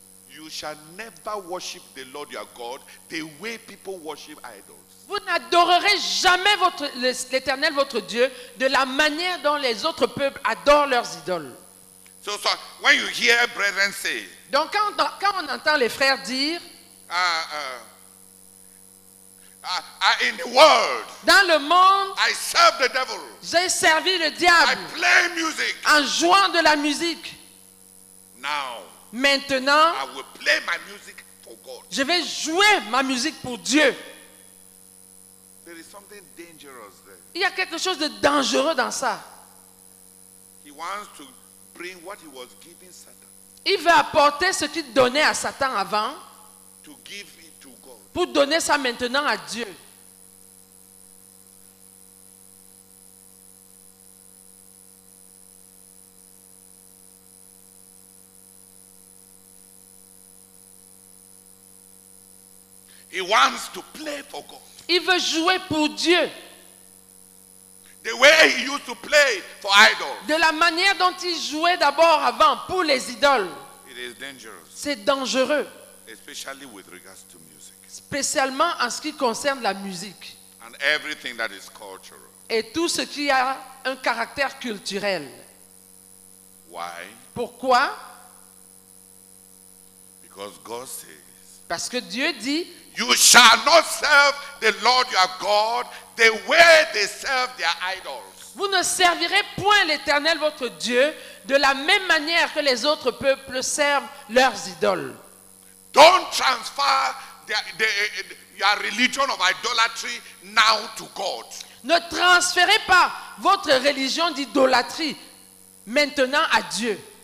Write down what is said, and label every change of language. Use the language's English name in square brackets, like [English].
[English] you shall never worship the Lord your God the way people worship idols. [French] Vous n'adorerez jamais l'Éternel votre Dieu de la manière dont les autres peuples adorent leurs idoles. [English] So when you hear brethren say, [French] donc quand on entend les frères dire, [English] in the world, [French] dans le monde, [English] I serve the devil, [French] j'ai servi le diable, [English] I play music, [French] en jouant de la musique, [English] Now, [French] maintenant, [English] I will play my music for God. [French] Je vais jouer ma musique pour Dieu. [English] There is something dangerous there. [French] Il y a quelque chose de dangereux dans ça. [English] He wants to bring what he was giving Satan. [French] Il veut apporter ce qu'il donnait à Satan avant [English] to give it to God. [French] Pour donner ça maintenant à Dieu. [English] He wants to play for God. [French] Il veut jouer pour Dieu. [English] The way he used to play for idols. [French] De la manière dont il jouait d'abord avant pour les idoles. [English] It is dangerous. [French] C'est dangereux. [English] Especially with regards to music. [French] Spécialement en ce qui concerne la musique. [English] And everything that is cultural. [French] Et tout ce qui a un caractère culturel. [English] Why? [French] Pourquoi? [English] Because God says, [French] parce que Dieu dit, [English] you shall not serve the Lord your God the way they serve their idols. [French] Vous ne servirez point l'Éternel votre Dieu de la même manière que les autres peuples servent leurs idoles. [English] Don't transfer your religion of idolatry now to God. [French] Ne transférez pas votre religion d'idolâtrie maintenant à Dieu.